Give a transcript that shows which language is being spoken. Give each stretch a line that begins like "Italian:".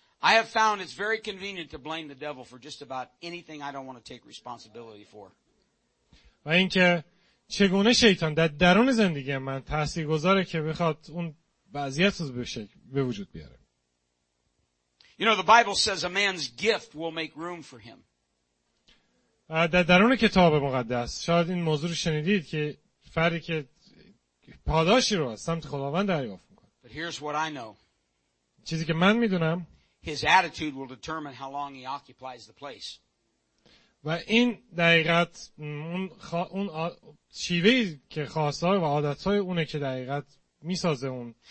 English: I have found it's very convenient to blame the devil for just about anything I don't want to take responsibility for.
Persian: و اینکه چگونه شیطان در درون زندگی من تاثیرگذاره که بخواد اون وضعیت رو به وجود بیاره.
English: You know the Bible says a man's gift will make room for him.
Persian: در درون کتاب مقدس شاید این موضوع رو شنیدید که فردی که پاداشی رو از سمت خداوند دریافت می‌کنه.
English: But here's what I know.
Persian: چیزی که من می‌دونم
English: his attitude will determine how long he occupies the place.
Persian: و این دقیقاً اون شیوه‌ای که خواستار و عادت‌های اونه که دقیقاً می‌سازه اون.